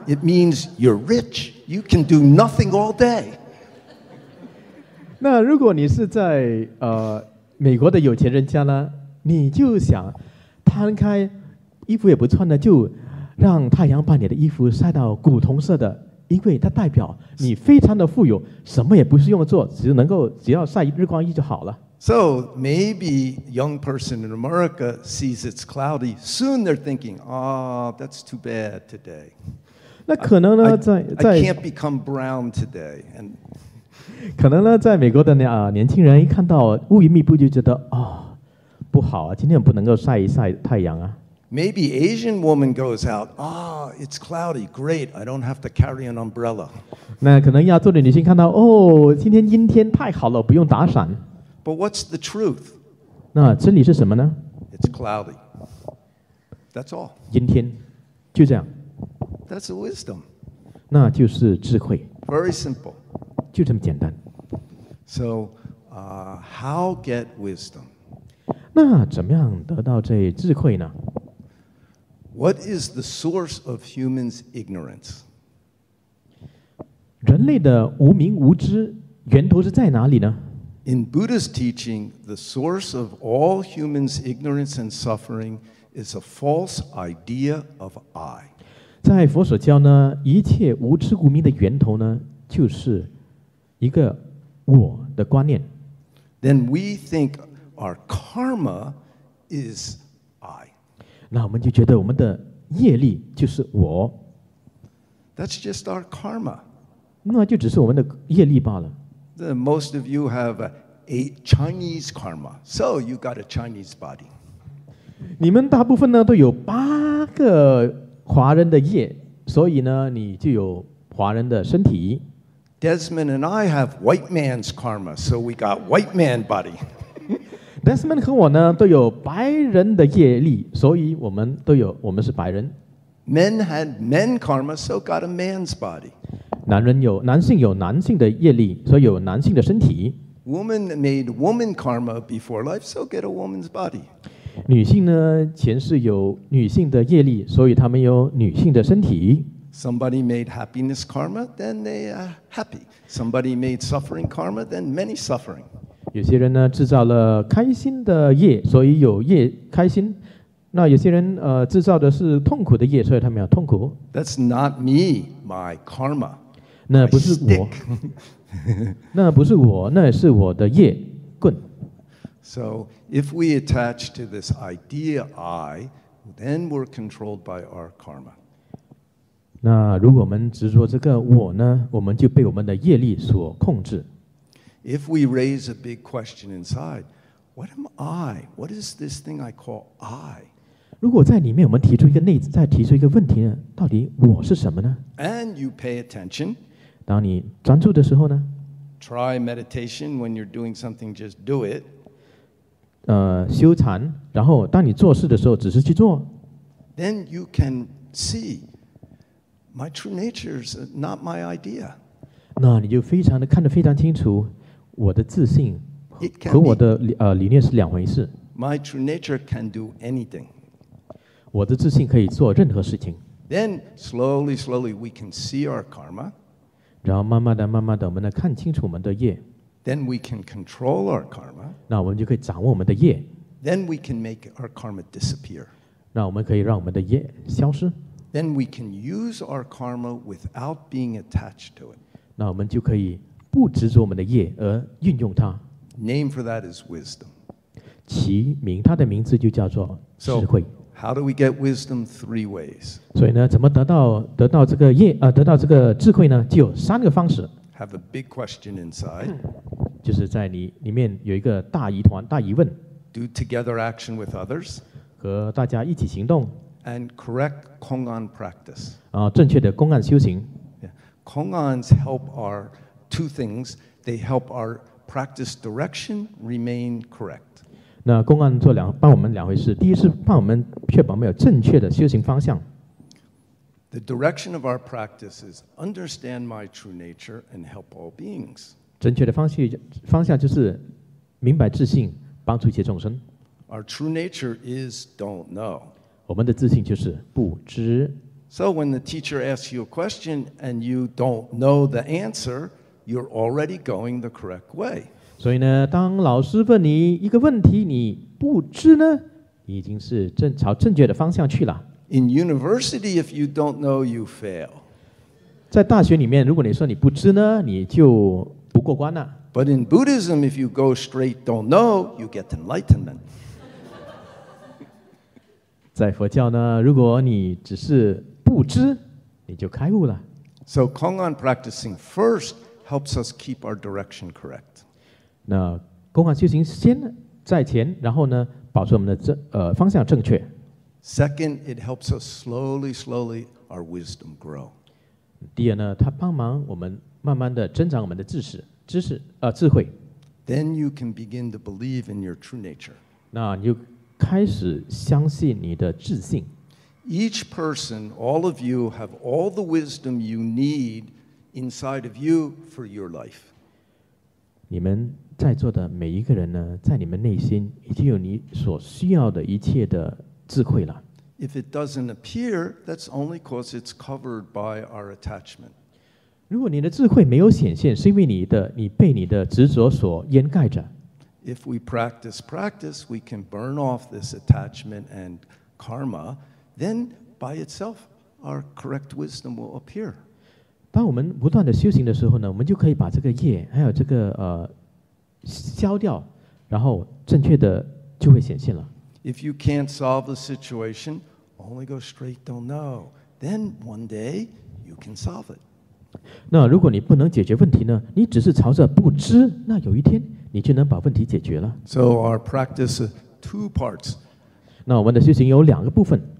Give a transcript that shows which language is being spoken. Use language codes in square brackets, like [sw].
[en] It means you're rich. You can do nothing all day. [zh] 那如果你是在美国的有钱人家呢，你就想摊开衣服也不穿的，就让太阳把你的衣服晒到古铜色的，因为它代表你非常的富有，什么也不是用做，只要晒日光浴就好了。 [en] So maybe young person in America sees it's cloudy. Soon they're thinking, that's too bad today. [zh] 那可能呢，在 [en] I can't become brown today. And [zh] 可能呢，在美国的年轻人一看到乌云密布，就觉得不好啊，今天不能够晒一晒太阳啊。 [en] Maybe Asian woman goes out. It's cloudy. Great, I don't have to carry an umbrella. [zh] 那可能亚洲的女性看到今天阴天，太好了，不用打伞。 [en] But what's the truth? [zh] 那真理是什么呢？ [en] It's cloudy. That's all. [zh] 阴天，就这样。 [en] That's a wisdom. [zh] 那就是智慧。 [en] Very simple. [zh] 就这么简单。 [en] So, how get wisdom? [zh] 那怎么样得到这智慧呢？ [en] What is the source of humans' ignorance? [zh] 人类的无明无知源头是在哪里呢？ [en] In Buddha's teaching, the source of all humans' ignorance and suffering is a false idea of I. [zh] 在佛所教呢，一切无知无明的源头呢，就是一个我的观念。 [en] Then we think our karma is I. [zh] 那我们就觉得我们的业力就是我。 [en] That's just our karma. [zh] 那就只是我们的业力罢了。 [en] Most of you have a Chinese karma, so you got a Chinese body. [zh] 你们大部分呢都有八个华人的业，所以呢你就有华人的身体。 [en] Desmond and I have white man's karma, so we got white man body. [zh] Desmond 和我呢都有白人的业力，所以我们是白人。 [en] Men had men karma, so got a man's body. [zh] 男性有男性的业力，所以有男性的身体。 [en] Woman made woman karma before life, so get a woman's body. [zh] 女性呢，前世有女性的业力，所以她们有女性的身体。 [en] Somebody made happiness karma, then they are happy. Somebody made suffering karma, then many suffering. [zh] 有些人呢，制造了开心的业，所以有业开心，那有些人制造的是痛苦的业，所以他们要痛苦。 [en] That's not me, my karma. [zh] 那不是我，那不是我，那是我的业棍。 [en] So if we attach to this idea I, then we're controlled by our karma. [zh] 那如果我们执着这个我呢，我们就被我们的业力所控制。 [en] If we raise a big question inside, what am I? What is this thing I call I? [zh] 如果在里面我们提出一个内在，提出一个问题呢，到底我是什么呢？ [en] And you pay attention. [zh] 当你专注的时候呢？ [en] Try meditation when you're doing something, just do it. [zh] 修禅，然后当你做事的时候，只是去做。 [en] Then you can see my true nature is not my idea. [zh] 那你就非常的看得非常清楚。我的自信和我的理念是两回事。 [en] My true nature can do anything. [zh] 我的自信可以做任何事情。 [en] Then slowly, slowly we can see our karma. [zh] 然后慢慢的、慢慢的，我们能看清楚我们的业。 [en] Then we can control our karma. [zh] 那我们就可以掌握我们的业。 [en] Then we can make our karma disappear. [zh] 那我们可以让我们的业消失。 [en] Then we can use our karma without being attached to it. [zh] 那我们就可以。不执着我们的业而运用它。 [en] Name for that is wisdom. [zh] 其名，它的名字就叫做智慧。 [en] So, how do we get wisdom? Three ways. [zh] 所以呢，怎么得到这个业得到这个智慧呢？就有三个方式。 [en] Have a big question inside. [zh] 就是在你里面有一个大疑团、大疑问。 [en] Do together action with others. [zh] 和大家一起行动。 [en] And correct Kong'an practice. [zh] 正确的公案修行。 [en] Yeah. Kong'ans help our two things, they help our practice direction remain correct. [zh] 那公案做两帮我们两回事，第一是帮我们确保我们有正确的修行方向。 [en] The direction of our practice is understand my true nature and help all beings. [zh] 正确的方向就是明白自性，帮助一切众生。 [en] Our true nature is don't know. [zh] 我们的自性就是不知。 [en] So when the teacher asks you a question and you don't know the answer,You're already going the correct way. [zh] 所以呢，当老师问你一个问题，你不知呢，你已经是朝正确的方向去了。 [en] In university, if you don't know, you fail. [zh] 在大学里面，如果你说你不知呢，你就不过关了。 [en] But in Buddhism, if you go straight, don't know, you get enlightenment. [zh] 在佛教呢，如果你只是不知，你就开悟了。 [en] So Kong'an practicing first. Helps us keep our direction correct. [zh] 那公案修行先在前，然后呢，保持我们的方向正确。 [en] Second, it helps us slowly, slowly our wisdom grow. [zh] 第二呢，它帮忙我们慢慢的增长我们的知识智慧。 [en] Then you can begin to believe in your true nature. [zh] 那你就开始相信你的自信。 [en] Each person, all of you, have all the wisdom you need. Inside of you for your life. [zh] 你们在座的每一个人呢，在你们内心已经有你所需要的一切的智慧了。 [en] If it doesn't appear, that's only because it's covered by our attachment. [zh] 如果你的智慧没有显现，是因为你被你的执着所掩盖着。 [en] If we practice, we can burn off this attachment and karma. Then, by itself, our correct wisdom will appear. [zh] 当我们不断的修行的时候呢，我们就可以把这个业还有这个消掉，然后正确的就会显现了。 [en] If you can't solve the situation, only go straight, don't know. Then one day you can solve it. [zh] 那如果你不能解决问题呢，你只是朝着不知，那有一天你就能把问题解决了。 [en] So our practice is two parts. [zh] 那我们的修行有两个部分。